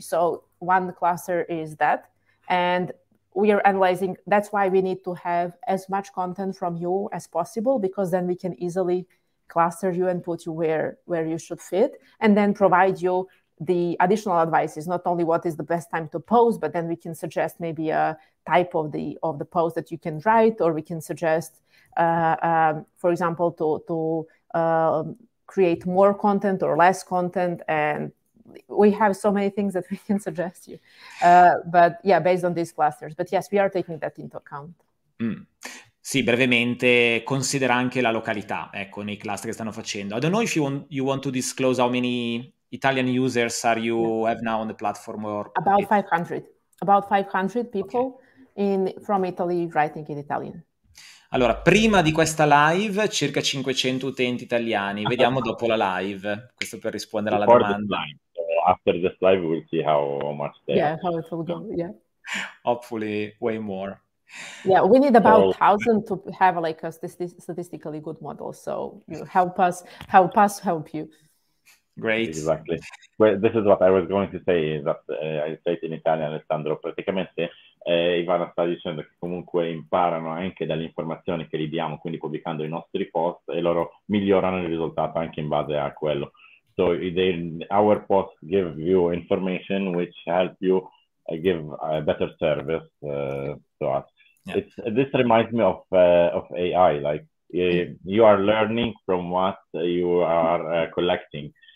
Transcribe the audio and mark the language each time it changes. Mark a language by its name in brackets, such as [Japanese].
[English] So one cluster is that. And we are analyzing, that's why we need to have as much content from you as possible, because then we can easily cluster you and put you where you should fit, and then provide you the additional advices, not only what is the best time to post, but then we can suggest maybe a type of the post that you can write, or we can suggest, for example, to create more content or less content. And we have so many things that we can suggest you, but yeah, based on these clusters. But yes, we are taking that into account. Mm. [Italian] Sì, brevemente, considera anche la località, ecco, nei cluster che stanno facendo. [English] I don't know if you want to disclose how many Italian users are you have now on the platform. Or about 500. About 500 people, okay, from Italy writing in Italian. [Italian] Allora, prima di questa live, circa 500 utenti italiani. Vediamo dopo la live, questo per rispondere alla domanda. [English] After this live, we'll see how much they Yeah, how it will go, yeah. Hopefully, way more. Yeah, we need about 1,000 to have like a statistically good model. So you know, help us help you. Great. Exactly. Well, this is what I was going to say, that I say it in Italian, Alessandro. [Italian] Praticamente, Ivana sta dicendo che comunque imparano anche dalle informazioni che gli diamo, quindi pubblicando i nostri post, e loro migliorano il risultato anche in base a quello. [English] So our posts give you information which help you give a better service to us. Yeah. This reminds me of AI. Like you are learning from what you are collecting.